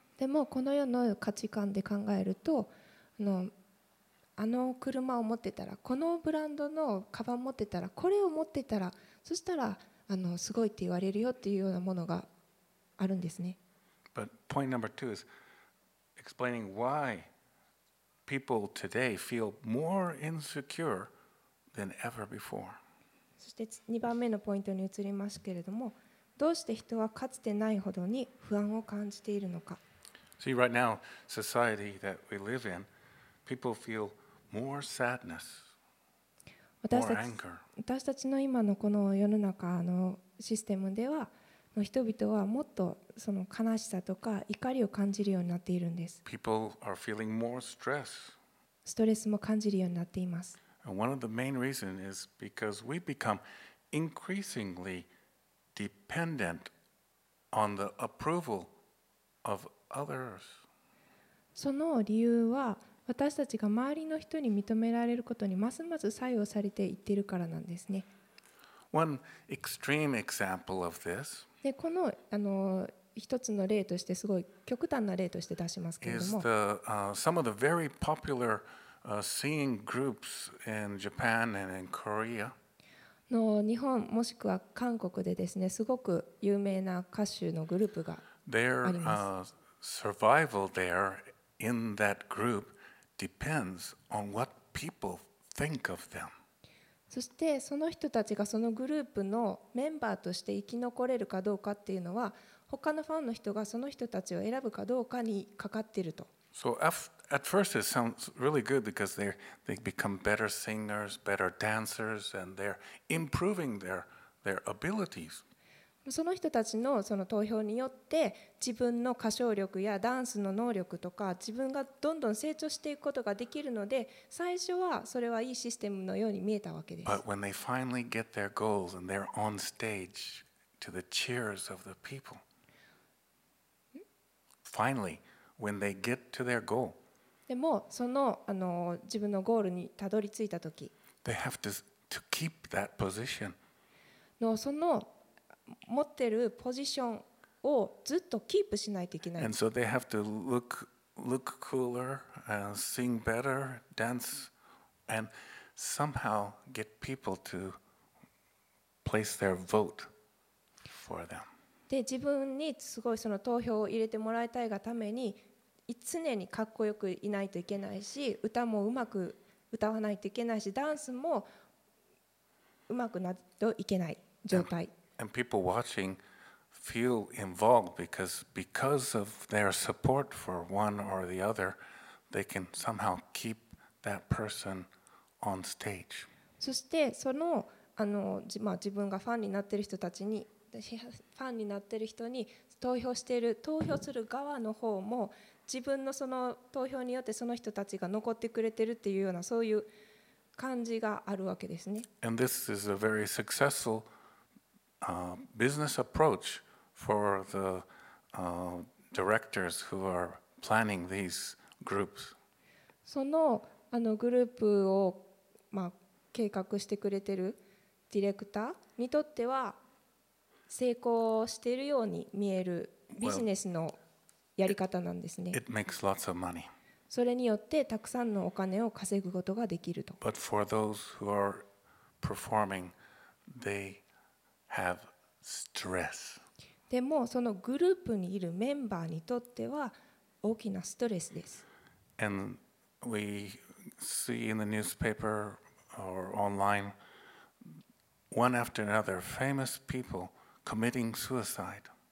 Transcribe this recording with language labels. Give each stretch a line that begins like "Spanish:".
Japanese: でもこの世の価値観で考えると、あの車を持ってたら、このブランドのカバン持ってたら、これを持ってたら、そしたらすごいって言われるよっていうようなものがあるんですね。
English: But point number two is explaining why people today feel more insecure than ever before.
Japanese: そして2番目のポイントに移りますけれども、どうして人はかつてないほどに不安を感じているのか。
English: See, right now, society that we live in, people feel more sadness, more anger.
Japanese: 私たちの今のこの世の中のシステムでは、人々はもっとその悲しさとか怒りを感じるようになっているんです。
English: People are feeling more stress.
Japanese: ストレスも感じるようになっています。
English: And one of the main reasons is because we become increasingly dependent on the approval of others.
Japanese: その理由は私たちが周りの人に認められることにますます左右されていっているからなんですね。
English: One extreme example of this.
Japanese: で、この一つの例としてすごい極端な例として出しますけれども、
English: is the some of the very popular singing groups in Japan and in Korea.
Japanese: の日本もしくは韓国でですね、すごく有名な歌手のグループがあります。
English: Survival there in that group depends on what people think of them.
Japanese: そしてその人たちがそのグループのメンバーとして生き残れるかどうかっていうのは、他のファンの人がその人たちを選ぶかどうかにかかっていると。
English: So at first it sounds really good because they become better singers, better dancers, and they're improving their abilities.
Japanese: その人たち その投票によって自分の歌唱力やダンスの能力とか自分がどんどん成長していくことができるので、最初はそれはいいシステムのように見えたわけです。
English: But when they finally get their goals and they're on stage to the cheers of the people. Finally, when they get to their goal.
Japanese: でもその自分のゴールにたどり着いたとき、
English: They have to keep that position.
Japanese: のその持ってるポジションをずっとキープしないといけない。
English: And so they have to look cooler and sing better, dance, and somehow get people to place their vote for them.
Japanese: で、自分にすごいその投票を入れてもらいたいがために常にかっこよくいないといけないし、歌もうまく歌わないといけないし、ダンスもうまくなっといけない状態。
English: And people watching feel involved because of their support for one or the other, they can somehow keep that person on stage.
Japanese: そしてその、まあ、自分がファンになっている人たちに、ファンになっている人に投票している、投票する側の方も、自分のその投票によってその人たちが残ってくれているっていうようなそういう感じがあるわけですね。
English: And this is a very successful, business approach for the, directors who are planning these groups.
Japanese: その、グループを、まあ、計画してくれているディレクターにとっては成功しているように見えるビジネスのやり方なんですね。
English: It makes lots of money.
Japanese: それによってたくさんのお金を稼ぐことができると。
English: But for those who are performing, they have stress.
Japanese: でもそのグループにいるメンバーにとっては大きなストレスです。
English: And we see in the newspaper or online one after another famous people committing suicide.